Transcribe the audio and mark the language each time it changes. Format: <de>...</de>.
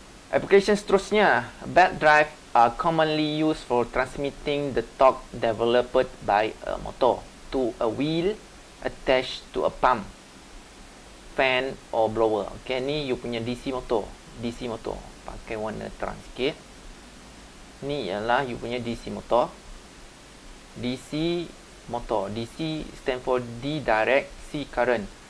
<en>Application seterusnya, belt drive are commonly used for transmitting the torque developed by a motor to a wheel attached to a pump, fan or blower.</en> <ms>Okay, ni you punya DC motor. DC motor, pakai warna terang sikit. Ni ialah you punya DC motor.</ms> <en>DC motor, DC stand for D direct, C current.</en>